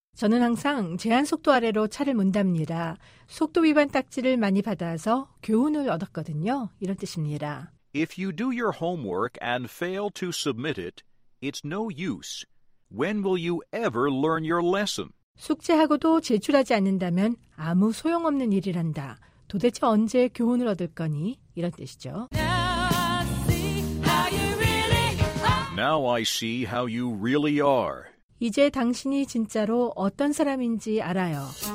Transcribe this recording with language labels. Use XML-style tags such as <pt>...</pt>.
<ko>저는 항상 제한속도 아래로 차를 몬답니다. 속도 위반 딱지를 많이 받아서 교훈을 얻었거든요. 이런 뜻입니다.</ko> <en>If you do your homework and fail to submit it, it's no use. When will you ever learn your lesson?</en> <ko>숙제하고도 제출하지 않는다면 아무 소용없는 일이란다. 도대체 언제 교훈을 얻을 거니? 이런 뜻이죠.</ko> <en>Now I see how you really are.</en> <ko>이제 당신이 진짜로 어떤 사람인지 알아요.</ko>